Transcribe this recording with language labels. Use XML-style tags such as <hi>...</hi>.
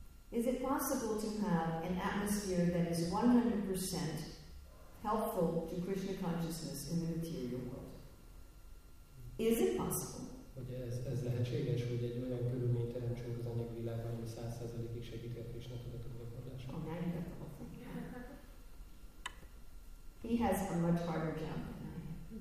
<en>Is it possible to have an atmosphere that is 100% helpful to Krishna consciousness in the material world? Is it possible?</en> <hu>Hogy ez lehetséges, hogy egy olyan körülményt teremtsünk az anyagi világban, ami 100%-ig segít a Krishna tudatok gyakorlását.</hu> <en>Oh, now you got the whole thing. Yeah. He has a much harder job than I have.</en>